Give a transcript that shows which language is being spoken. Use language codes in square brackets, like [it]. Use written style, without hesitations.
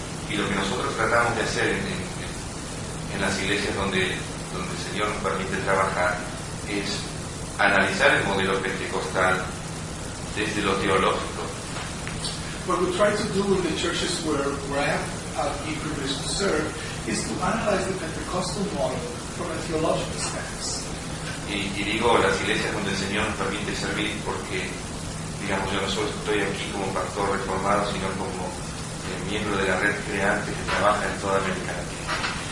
[es] Y lo que nosotros tratamos de hacer en las iglesias donde el Señor nos permite trabajar es analizar el modelo pentecostal desde lo teológico. [en] What we try to do in the churches where I have been privileged to serve is to analyze the Pentecostal model from a theological stance. [es] Y digo las iglesias donde el Señor nos permite servir porque, digamos, yo no solo estoy aquí como pastor reformado, sino como miembro de la red creante que trabaja en toda América Latina.